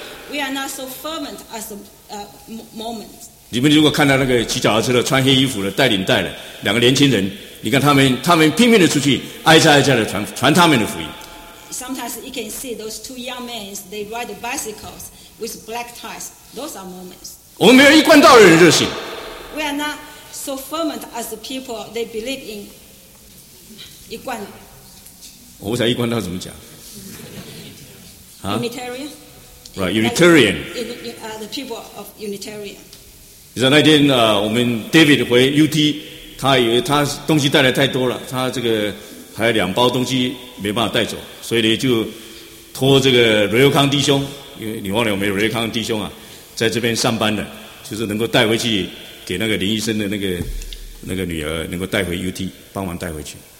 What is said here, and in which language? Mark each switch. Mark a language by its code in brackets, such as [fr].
[en] We are not so fervent as the Mormons. [zh] 你们如果看到那个骑脚踏车的、穿黑衣服的、戴领带的两个年轻人，你看他们拼命的出去挨家挨家的传他们的福音。 [en] Sometimes you can see those two young men. They ride bicycles with black ties. Those are Mormons. [zh] 我们没有一贯道的人热心。 [en] We are not so fervent as the people they believe in. [zh] 一贯。我不知道一贯道怎么讲。 [en] Unitarian. Right, Unitarian. The people of Unitarian. [zh] 你知道那天我们 David 回 UT， 他以为他东西带来太多了，他这个还有两包东西没办法带走，所以呢就托这个瑞康弟兄，因为你忘了我们瑞康弟兄啊，在这边上班的，就是能够带回去给那个林医生的那个女儿，能够带回 UT 帮忙带回去。